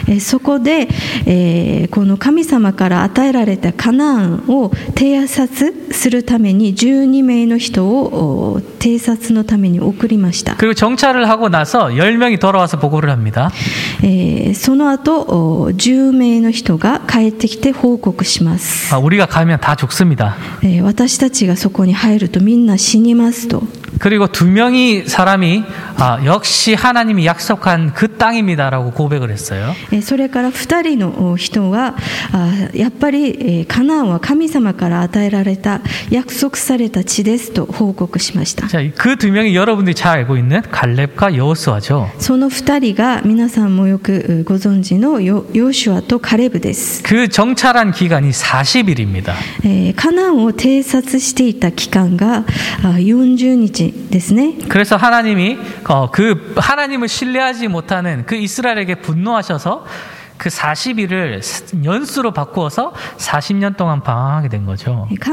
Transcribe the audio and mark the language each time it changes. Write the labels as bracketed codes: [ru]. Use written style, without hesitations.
[ja] そこで、この神様から与えられたカナンを偵察するために12名の人を偵察のために送りました。 [ko] 그리고정찰을하고나서10명이돌아와서보고를합니다。 [ja] その後10名の人が帰って来て報告します。 [ko] 우리가가면다죽습니다。 [ja] 私たちがそこに入るとみんな死にますと。 [ko] 그리고 두 명이 사람이 아, 역시 하나님이 약속한 그 땅입니다라고 고백을 했어요. [ja] それから2人の人はやっぱりカナンは神様から与えられた約束された地ですと報告しました。 [ko] 자, 그 두 명이 여러분들이 잘 알고 있는 갈렙과 여호수아죠. [ja] その2人が皆さんもよくご存知のヨシュアとカレブです。 [ko] 그 정찰한 기간이 40일입니다. [ja] カナンを偵察していた期間が40日 ですね. [ko] 그래서 하나님이 그 하나님을 신뢰하지 못하는 그 이스라엘에게 분노하셔서 그 40일을 연수로 바꾸어서 40년 동안 방황하게 된 거죠.